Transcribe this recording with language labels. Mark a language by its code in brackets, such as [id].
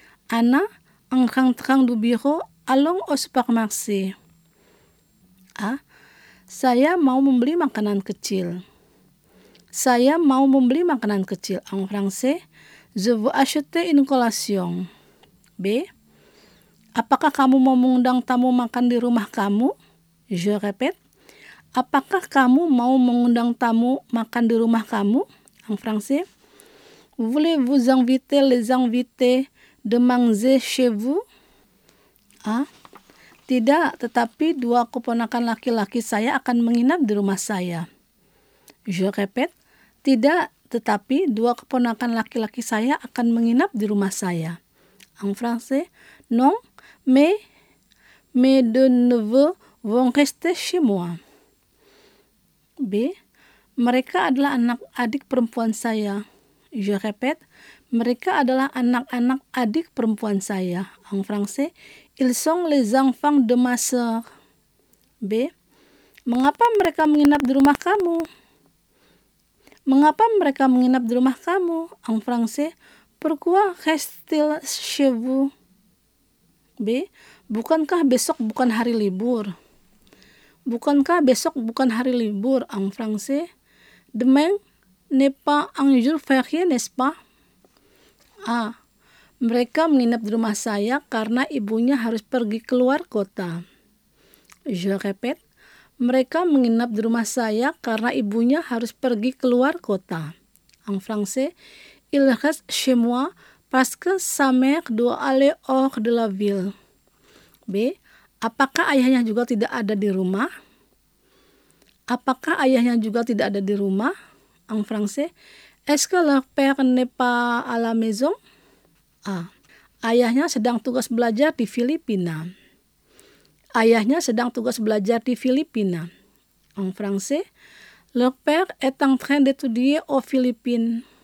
[fr] Anna, en rentrant du bureau, allons au supermarché. [id] A. Saya mau membeli makanan kecil. Saya mau membeli makanan kecil. [fr] En français. Je veux acheter une collation. B. [id] Apakah kamu mau mengundang tamu makan di rumah kamu? [fr] Je répète. [id] Apakah kamu mau mengundang tamu makan di rumah kamu? [fr] En français. Voulez-vous inviter les invités de manger chez vous? A. [id] Tidak, tetapi dua keponakan laki-laki saya akan menginap di rumah saya. [fr] Je répète. [id] Tidak, tetapi dua keponakan laki-laki saya akan menginap di rumah saya. [fr] En français. Non, mes deux neveux vont rester chez moi. B. [id] Mereka adalah anak adik perempuan saya. [fr] Je répète. [id] Mereka adalah anak-anak adik perempuan saya. [fr] En français, ils sont les enfants de ma sœur. B. [id] Mengapa mereka menginap di rumah kamu? Mengapa mereka menginap di rumah kamu? [fr] En français, pourquoi restent-ils chez vous? B. [id] Bukankah besok bukan hari libur? Bukankah besok bukan hari libur? [fr] En français, demain n'est pas un jour férié, n'est-ce pas? A. [id] Mereka menginap di rumah saya karena ibunya harus pergi keluar kota. [fr] Je répète. [id] Mereka menginap di rumah saya karena ibunya harus pergi keluar kota. [fr] En français, il reste chez moi parce que sa mère doit aller hors de la ville. B. [id] Apakah ayahnya juga tidak ada di rumah? Apakah ayahnya juga tidak ada di rumah? [fr] En français, est-ce que leur père n'est pas à la maison? A. [id] Ayahnya sedang tugas belajar di Filipina. Ayahnya sedang tugas belajar di Filipina. [fr] En français, leur père est en train d'étudier aux Philippines.